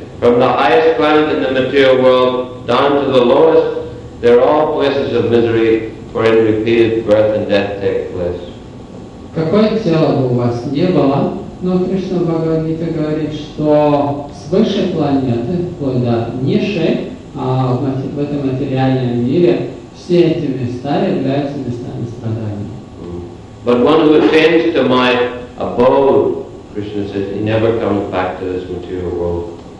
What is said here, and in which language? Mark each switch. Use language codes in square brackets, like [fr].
[en] From the highest planet in the material world down to the lowest, they are all places of misery wherein repeated birth and death take place. [ru] Какое тело бы у вас не было, но Кришна Бхагавадгита говорит, что с высшей планеты, вплоть до низшей, в этом материальном мире, все эти места являются местами страданий. [en] But one who attains to my abode, Krishna says, he never comes back to this material world.